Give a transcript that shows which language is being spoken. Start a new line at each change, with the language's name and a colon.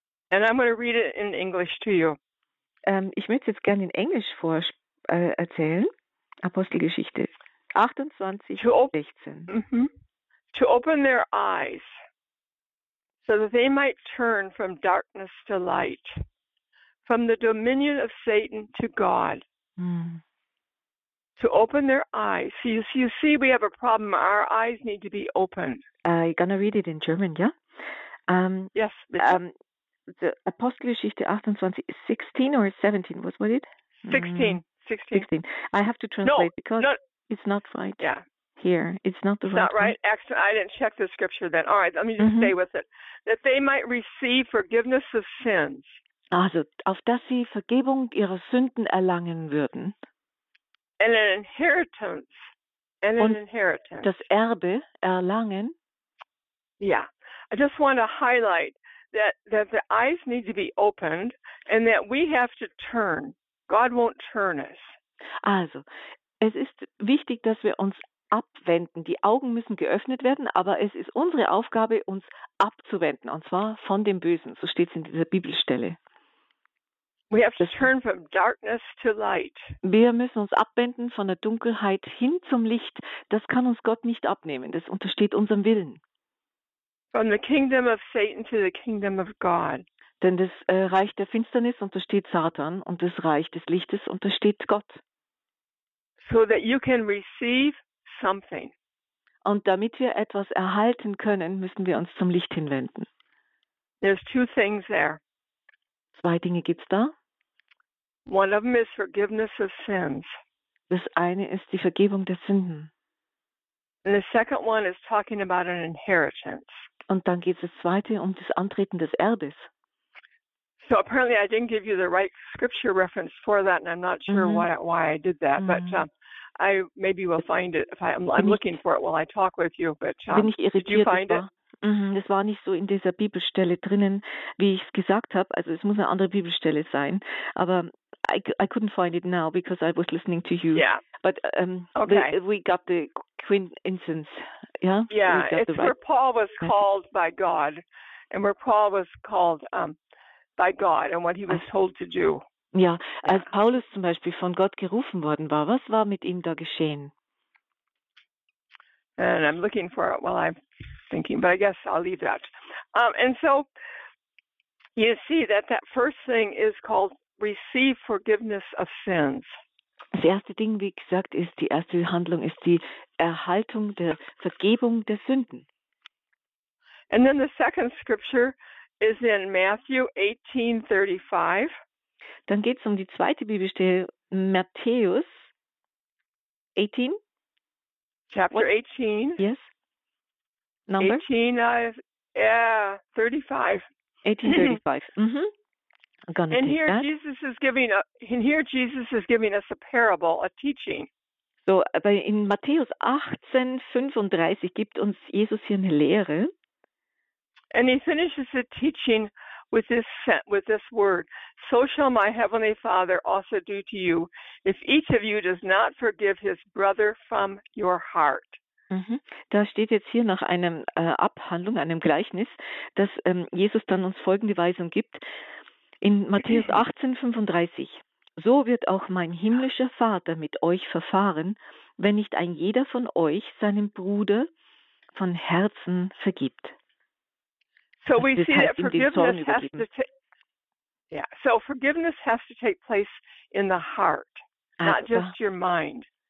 English: And I'm going to read it in English to you.
German: Ich möchte es jetzt gerne in Englisch erzählen. Apostelgeschichte 28, 16.
English: To open their eyes, so that they might turn from darkness to light, from the dominion of Satan to God. To open their eyes. So you see, we have a problem. Our eyes need to be opened. You're going to read it in German, yeah? Yes. The Apostelgeschichte 28, 16 or 17, was what it? 16. I have to translate because it's not right here. It's not the right. Actually, I didn't check the scripture then. All right, let me just stay with it. That they might receive forgiveness of sins.
German: Also, auf dass sie Vergebung ihrer Sünden erlangen würden.
English: And an inheritance. And an inheritance.
German: Das Erbe erlangen.
English: Yeah, I just want to highlight that the eyes need to be opened and that we have to turn. God won't turn us.
German: Also, es ist wichtig, dass wir uns abwenden. Die Augen müssen geöffnet werden, aber es ist unsere Aufgabe, uns abzuwenden, und zwar von dem Bösen. So steht es in dieser Bibelstelle.
English: We have to turn from darkness to light.
German: Wir müssen uns abwenden von der Dunkelheit hin zum Licht. Das kann uns Gott nicht abnehmen. Das untersteht unserem Willen.
English: From the kingdom of Satan to the kingdom of God.
German: Denn das Reich der Finsternis untersteht Satan und das Reich des Lichtes untersteht Gott.
English: So that you can receive something.
German: Und damit wir etwas erhalten können, müssen wir uns zum Licht hinwenden.
English: There's two things there.
German: Zwei Dinge gibt's da.
English: One of them is forgiveness of sins.
German: Das eine ist die Vergebung der Sünden.
English: And the second one is talking about an inheritance.
German: Und dann geht's das zweite um das Antreten des Erbes.
English: So apparently I didn't give you the right scripture reference for that, and I'm not sure why I did that, but I maybe will find it if I'm looking for it while I talk with you. But
German: bin ich irritiert,
English: did you find it?
German: Es war nicht so in dieser Bibelstelle drinnen, wie ich es gesagt habe. Also es muss eine andere Bibelstelle sein.
English: Aber I couldn't find it now because I was listening to you. Yeah. But we got the quintessence. Yeah. Yeah. It's right. Where Paul was called by God, and where Paul was called by God and what he was told to do.
German: Ja, als Paulus zum Beispiel von Gott gerufen worden war, was war mit ihm da geschehen?
English: And I'm looking for it while I'm thinking, but I guess I'll leave that. You see that first thing is called receive forgiveness of sins.
German: Das erste Ding, wie gesagt, ist die erste Handlung, ist die Erhaltung der Vergebung der Sünden.
English: And then the second scripture is in Matthew 18:35.
German: Dann geht es um die zweite Bibelstelle, Matthäus 18.
English: Chapter 18. Yes. Number? 1835. Here Jesus is giving us a parable, a teaching.
German: So, aber in Matthäus 18:35 gibt uns Jesus hier eine Lehre.
English: And he finishes the teaching with this word. So shall my heavenly Father also do to you, if each of you does not forgive his brother from your heart.
German: Da steht jetzt hier nach einem Abhandlung, einem Gleichnis, dass Jesus dann uns folgende Weisung gibt. In Matthäus 18:35. So wird auch mein himmlischer Vater mit euch verfahren, wenn nicht ein jeder von euch seinem Bruder von Herzen vergibt.
English: So we see that forgiveness has to take place in the heart, not just your mind.